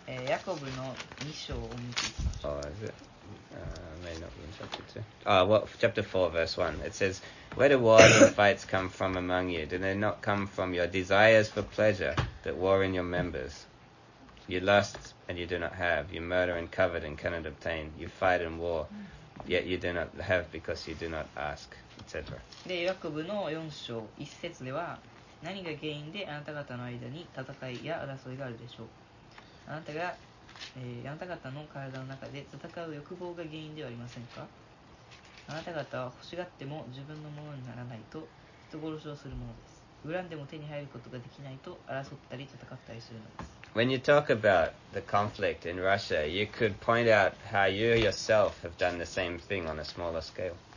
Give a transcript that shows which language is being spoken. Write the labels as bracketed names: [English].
[Japanese] ヤコブの2章を見ていきましょう。 [English] Oh, is it? May not be in chapter 2. Ah, well, chapter 4, verse 1. It says, Where do wars and fights come from among you? Do they not come from your desires for pleasure that war in your members? You lust and you do not have. You murder and covet and cannot obtain. You fight and war, yet you do not have because you do not ask, etc. [Japanese] で、ヤコブの4章1節では、何が原因であなた方の間に戦いや争いがあるでしょう。あなたが、あなた方の体の中で戦う欲望が原因ではありませんか？あなた方は欲しがっても自分のものにならないと人殺しをするものです。恨んでも手に入ることができないと争ったり戦ったりするのです。 [English] When you talk about the conflict in Russia, you could point out how you yourself have done the same thing on a smaller scale.